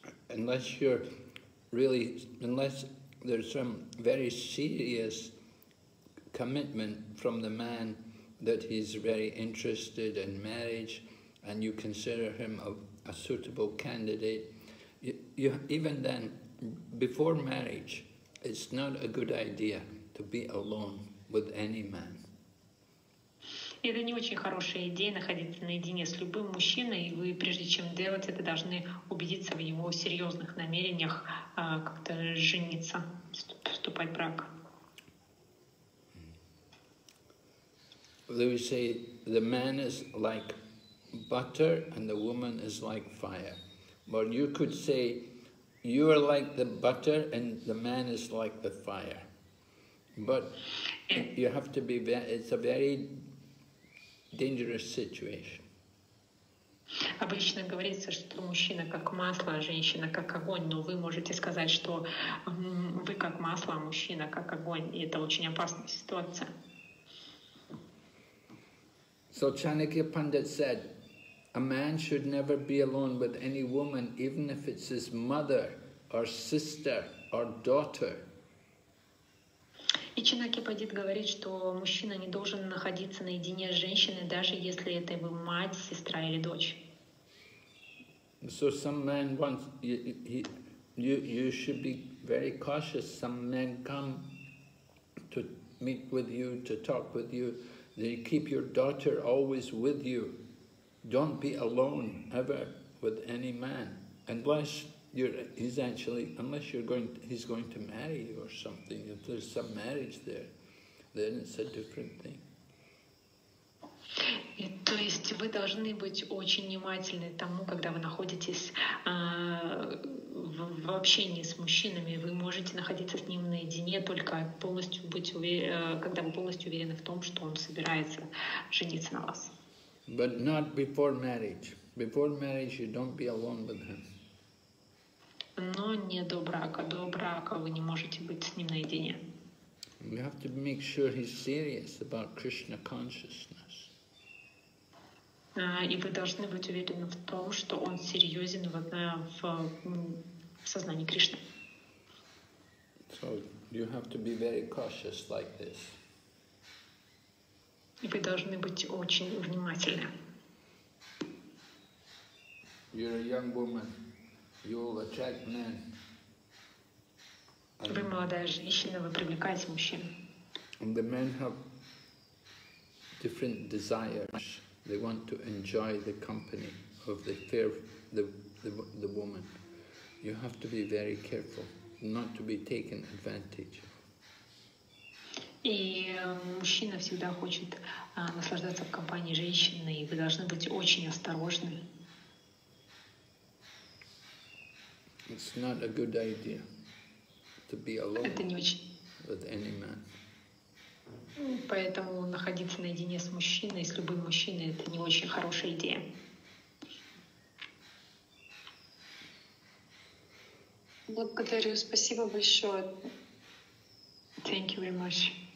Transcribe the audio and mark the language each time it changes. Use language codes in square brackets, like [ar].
[en] Unless there's some very serious commitment from the man that he's very interested in marriage and you consider him a suitable candidate, you even then, before marriage, it's not a good idea to be alone with any man. [ru] Это не очень хорошая идея находиться наедине с любым мужчиной, и вы, прежде чем делать это, должны убедиться в его серьезных намерениях как-то жениться, вступать в брак. [en] They would say, the man is like butter and the woman is like fire. Or you could say, you are like the butter and the man is like the fire. But you have to be, it's a very dangerous situation. [ru] Обычно говорится, что мужчина как масло, а женщина как огонь, но вы можете сказать, что вы как масло, а мужчина как огонь, и это очень опасная ситуация. [en] So Chanakya Pandit said, a man should never be alone with any woman, even if it's his mother or sister or daughter. [ru] И Чанакья Пандит говорит, что мужчина не должен находиться наедине с женщиной, даже если это его мать, сестра или дочь. [en] So some men want you should be very cautious. Some men come to meet with you, to talk with you. They keep your daughter always with you. Don't be alone ever with any man, unless he's going to marry you or something. If there's some marriage there, then it's a different thing. [ru] То есть вы должны быть очень внимательны тому, когда вы находитесь в общении с мужчинами. Вы можете находиться с ним наедине, только полностью быть когда вы полностью уверены в том, что он собирается жениться на вас. [en] But not before marriage. Before marriage, you don't be alone with him. [ru] Но не до брака. До брака вы не можете быть с ним наедине. [en] We have to make sure he's serious about Krishna consciousness. [ru] И вы должны быть уверены в том, что он серьезен в сознании Кришны. [en] So you have to be very cautious like this. [ru] И вы должны быть очень внимательны. [en] You're a young woman. You will attract men. [ru] Вы молодая женщина, вы привлекаете мужчин. [en] And the men have different desires. They want to enjoy the company of the fair, the woman. You have to be very careful not to be taken advantage of. [ru] И мужчина всегда хочет наслаждаться в компании женщины, и вы должны быть очень осторожны. [en] It's not a good idea to be alone with any man. [ru] Поэтому находиться наедине с мужчиной, с любым мужчиной, это не очень хорошая идея. Благодарю, спасибо большое. [en] Thank you very much.